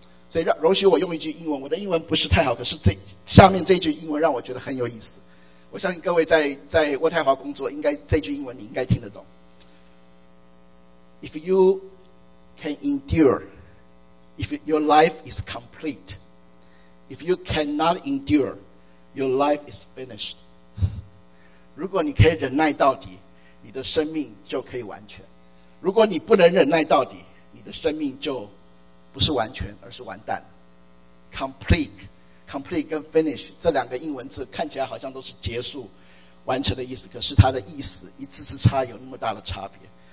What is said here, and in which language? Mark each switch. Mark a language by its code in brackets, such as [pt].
[zh] 所以容许我用一句英文，我的英文不是太好，可是这下面这句英文让我觉得很有意思。我相信各位在渥太华工作，应该这句英文你应该听得懂。 [en] if you can endure, if your life is complete, if you cannot endure, your life is finished. [zh] 如果你可以忍耐到底，你的生命就可以完全。如果你不能忍耐到底，你的生命就不是完全，而是完蛋。 Complete 跟 finish 这两个英文字看起来好像都是结束、完成的意思，可是它的意思一字之差有那么大的差别。